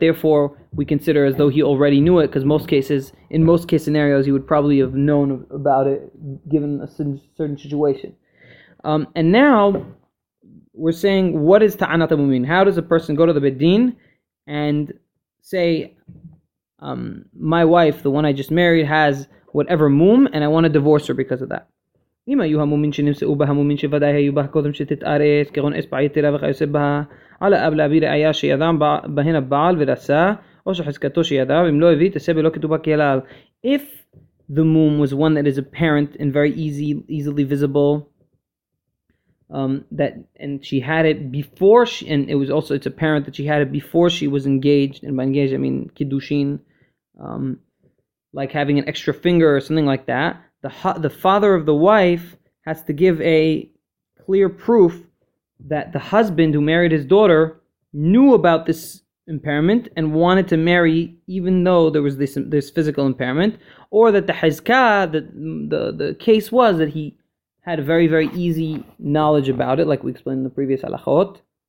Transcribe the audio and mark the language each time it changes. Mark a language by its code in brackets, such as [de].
[en] Therefore, we consider as though he already knew it, because in most case scenarios, he would probably have known about it given a certain situation. And now we're saying, what is ta'anat ha-mumin? How does a person go to the bedin and say, my wife, the one I just married, has whatever mum, and I want to divorce her because of that? [he] אם היו המומין שנמצאו בה, המומין שוודאי היו בה קודם שתתארס, כגון אצבע יתרה וכיוצא בה, על האב להביא ראיה שידע בהן הבעל ורסה, או שחזקתו שידע, אם לא הביא, תעשה בלא כתובה כלל. [en] If the mum was one that is apparent and very easily visible, and she had it before, and it's apparent that she had it before she was engaged, and by engaged I mean kiddushin, like having an extra finger or something like that, the father of the wife has to give a clear proof that the husband who married his daughter knew about this impairment and wanted to marry even though there was this physical impairment, or that the hizka, the case was that he had a very, very easy knowledge about it, like we explained in the previous halachot.